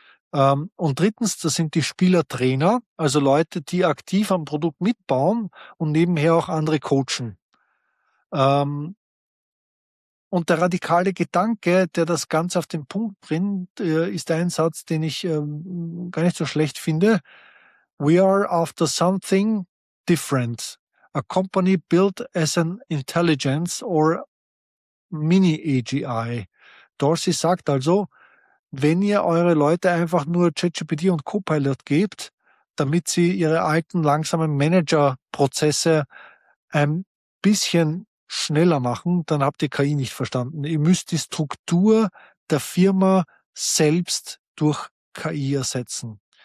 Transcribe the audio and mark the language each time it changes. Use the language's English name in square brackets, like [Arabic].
[German] Und drittens, das sind die Spielertrainer, also Leute, die aktiv am Produkt mitbauen und nebenher auch andere coachen. Und der radikale Gedanke, der das Ganze auf den Punkt bringt, ist ein Satz, den ich gar nicht so schlecht finde. [English] We are after something different. A company built as an intelligence or mini AGI. [German] Dorsey sagt also, wenn ihr eure Leute einfach nur ChatGPT und Copilot gebt, damit sie ihre alten langsamen Manager-Prozesse ein bisschen schneller machen, dann habt ihr KI nicht verstanden. Ihr müsst die Struktur der Firma selbst durch KI ersetzen.